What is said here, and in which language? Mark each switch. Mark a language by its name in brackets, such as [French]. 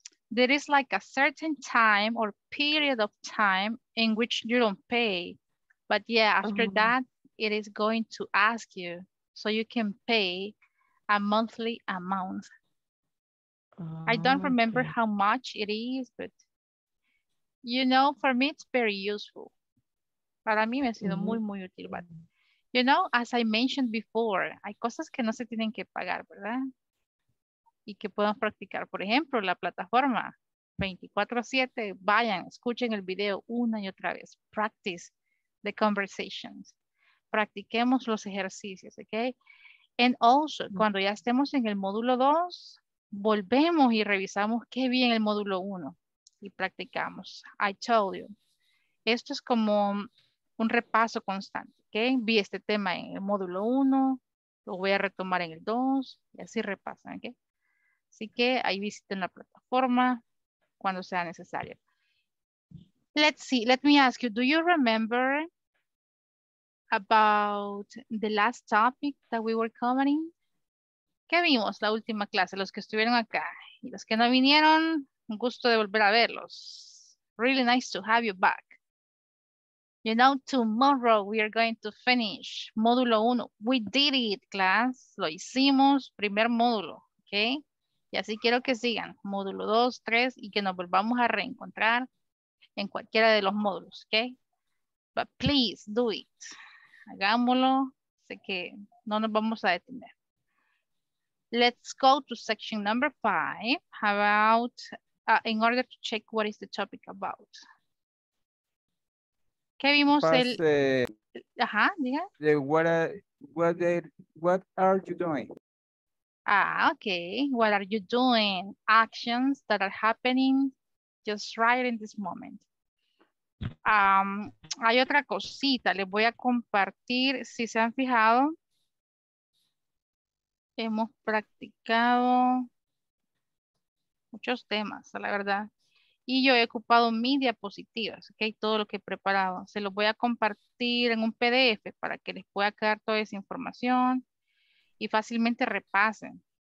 [English] There is like a certain time or period of time in which you don't pay. But yeah, after that, it is going to ask you so you can pay a monthly amount. I don't remember how much it is, but you know, for me, it's very useful. [Spanish] Para mí me ha sido muy, muy útil. [English] But you know, as I mentioned before, [Spanish] hay cosas que no se tienen que pagar, ¿verdad? Y que puedan practicar. Por ejemplo, la plataforma 24/7, vayan, escuchen el video una y otra vez. [English] Practice the conversations. [Spanish] Practiquemos los ejercicios, [English] okay? And also, [Spanish] cuando ya estemos en el módulo 2, volvemos y revisamos qué vi en el módulo 1 y practicamos. [English] I told you. [Spanish] Esto es como un repaso constante, ¿ok? Vi este tema en el módulo 1, lo voy a retomar en el 2 y así repasan, ¿ok? Así que ahí visiten la plataforma cuando sea necesario. [English] Let's see, let me ask you, do you remember about the last topic that we were covering? [Spanish] ¿Qué vimos la última clase? Los que estuvieron acá y los que no vinieron, un gusto de volver a verlos. [English] Really nice to have you back. You know, tomorrow we are going to finish módulo 1. We did it, class. [Spanish] Lo hicimos, primer módulo, [English] okay? [Spanish] Y así quiero que sigan, módulo 2, 3, y que nos volvamos a reencontrar en cualquiera de los módulos, okay? [English] But please do it. [Spanish] Hagámoslo, sé que no nos vamos a detener. [English] Let's go to section number 5, about, in order to check what is the topic about. [Spanish] ¿Qué vimos? Pase, el... Ajá, diga. [English] The, what are you doing? Ah, okay. What are you doing? Actions that are happening just right in this moment. [Spanish] Hay otra cosita. Les voy a compartir. Si se han fijado, hemos practicado muchos temas, la verdad. Y yo he ocupado mis diapositivas, ok, todo lo que he preparado. Se los voy a compartir en un PDF para que les pueda quedar toda esa información y fácilmente repasen.